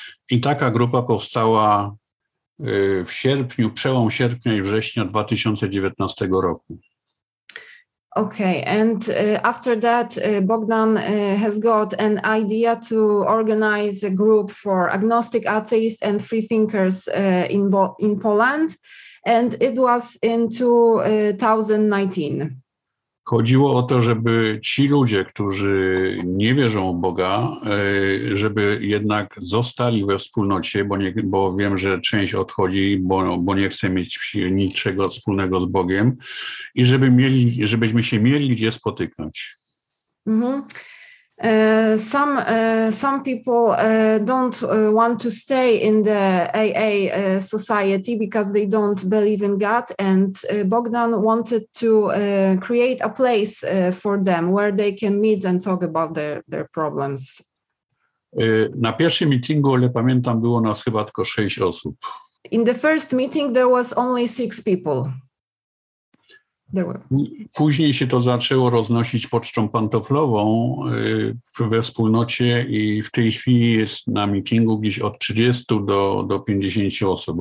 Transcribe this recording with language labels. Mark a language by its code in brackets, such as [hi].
[pl] I taka grupa powstała w sierpniu, przełom sierpnia i września 2019 roku. [en] Okay, and after that Bogdan has got an idea to organize a group for agnostic, atheists and free thinkers in Poland. And it was in 2019. [pl] Chodziło o to, żeby ci ludzie, którzy nie wierzą w Boga, żeby jednak zostali we wspólnocie, bo wiem, że część odchodzi, bo nie chce mieć niczego wspólnego z Bogiem, i żebyśmy się mieli gdzie spotykać. Mm-hmm. [en] Some people don't want to stay in the AA society because they don't believe in God, and Bogdan wanted to create a place for them where they can meet and talk about their problems. [pl] Na pierwszym meetingu, ale pamiętam, było nas chyba tylko 6 osób. [en] In the first meeting there was only 6 people. [pl] Później się to zaczęło roznosić pocztą pantoflową we wspólnocie i w tej chwili jest na meetingu gdzieś od 30 do 50 osób.